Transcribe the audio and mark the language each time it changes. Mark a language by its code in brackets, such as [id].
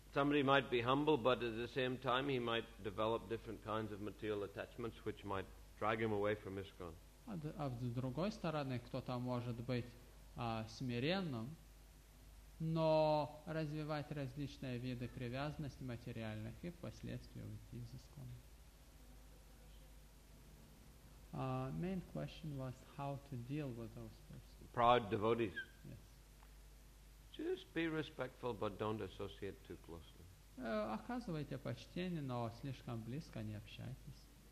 [en] Somebody might be humble, but at the same time he might develop different kinds of material attachments which might drag him away from ISKCON. [ru] А с другой стороны, кто-то может быть смиренным, но развивать различные виды привязанности материальных и впоследствии уйти из ISKCON. [en] Main question was how to deal with those persons. Proud devotees. Yes. Just be respectful, but don't associate too closely. [ru] Оказывайте почтение, но слишком близко не общайтесь.